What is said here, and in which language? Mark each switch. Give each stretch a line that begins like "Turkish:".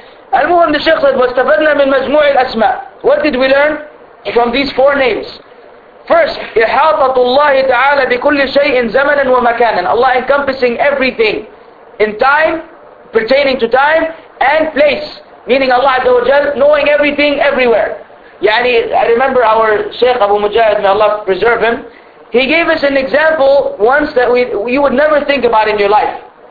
English: Al-Muhammad al-Shaykh said,
Arabic: وَاسْتَفَدْنَا مِنْ مَجْمُوعِ الْأَسْمَاءِ.
English: What did we learn from these four names? First,
Arabic: إِحَاطَةُ اللَّهِ تَعَالَى بِكُلِّ شَيْءٍ زَمَنًا وَمَكَانًا.
English: Allah encompassing everything in time, pertaining to time and place. Meaning Allah Azza wa Jal knowing everything everywhere. Yani, I remember our Shaykh Abu Mujahid, may Allah preserve him, He gave us an example once that you would never think about in your life.